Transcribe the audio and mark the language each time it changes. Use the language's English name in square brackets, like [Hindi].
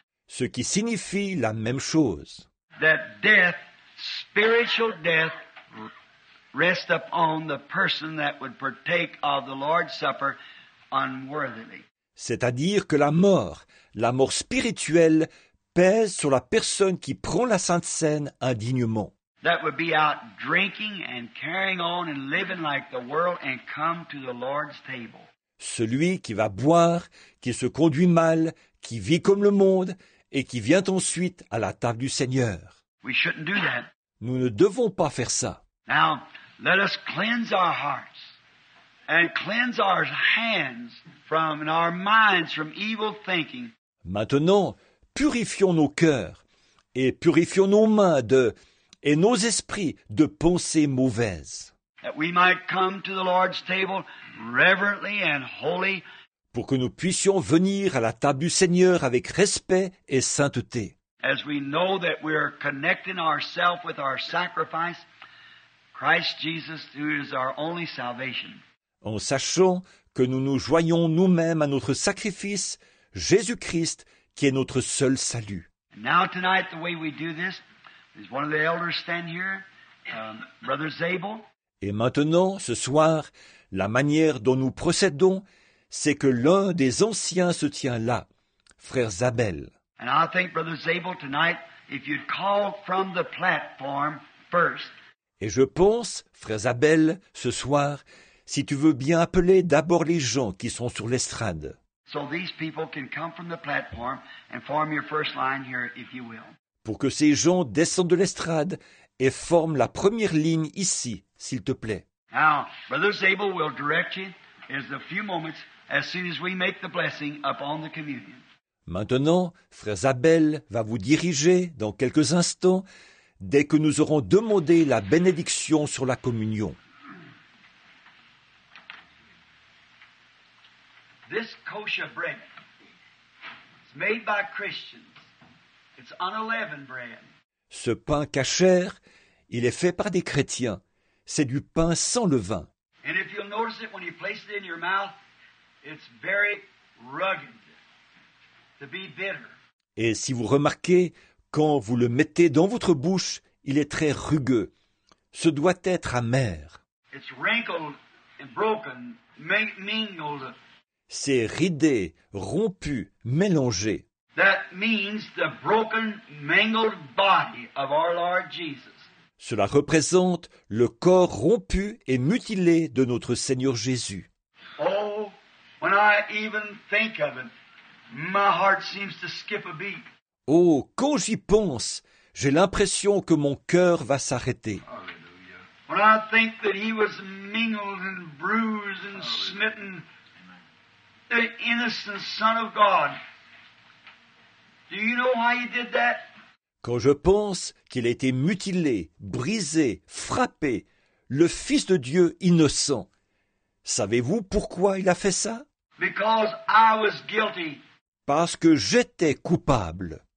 [French] ce qui signifie la même chose. [English] That death, spiritual death, rests upon the person that would partake of the Lord's Supper unworthily. [French] C'est-à-dire que la mort spirituelle, pèse sur la personne qui prend la Sainte Cène indignement. [English] That would be out drinking and carrying on and living like the world and come to the Lord's table. [French] Celui qui va boire, qui se conduit mal, qui vit comme le monde et qui vient ensuite à la table du Seigneur. [English] We shouldn't do that. [French] Nous ne devons pas faire ça. [English] Now, let us cleanse our hearts and cleanse our hands from and our minds from evil thinking. [French] Maintenant, purifions nos cœurs et purifions nos mains et nos esprits de pensées mauvaises. [English] That we might come to the Lord's table reverently and holy. [French] Pour que nous puissions venir à la table du Seigneur avec respect et sainteté. [English] As we know that we are connecting ourselves with our sacrifice, Christ Jesus, who is our only salvation. [French] En sachant que nous nous joignons nous-mêmes à notre sacrifice, Jésus-Christ, qui est notre seul salut. [English] And now tonight, the way we do this is one of the elders stand here, Brother Zabel. [French] Et maintenant, ce soir, la manière dont nous procédons, c'est que l'un des anciens se tient là, frère Zabel. [English] And I think, Brother Zabel, tonight, if you'd call from the platform first. [French] Et je pense, frère Zabel, ce soir, si tu veux bien appeler d'abord les gens qui sont sur l'estrade. [English] So these people can come from the platform and form your first line here, if you will. [French] Pour que ces gens descendent de l'estrade et forment la première ligne ici, s'il te plaît. [English] Now, Brother Zabel will direct you in a few moments as soon as we make the blessing upon the communion. [French] Maintenant, frère Zabel va vous diriger dans quelques instants dès que nous aurons demandé la bénédiction sur la communion. [English] This kosher bread is made by Christians. It's unleavened bread. [French] Ce pain kasher, il est fait par des chrétiens. C'est du pain sans levain. [English] And if you'll notice it when you place it in your mouth, it's very rugged to be bitter. [French] Et si vous remarquez, quand vous le mettez dans votre bouche, il est très rugueux. Ce doit être amer. [English] It's wrinkled and broken, mingled. [French] C'est ridé, rompu, mélangé. [English] That means the broken, mangled body of our Lord Jesus. [French] Cela représente le corps rompu et mutilé de notre Seigneur Jésus. [English] Oh, when I even think of it, my heart seems to skip a beat. [French] Oh, quand j'y pense, j'ai l'impression que mon cœur va s'arrêter. [English] Hallelujah. When I think that he was mingled and bruised and Hallelujah. Smitten. The innocent Son of God. Do you know why he did that? [French] Quand je pense qu'il a été mutilé, brisé, frappé, le Fils de Dieu innocent, savez-vous pourquoi il a fait ça? [English] Because I was guilty. [French] Parce que j'étais coupable.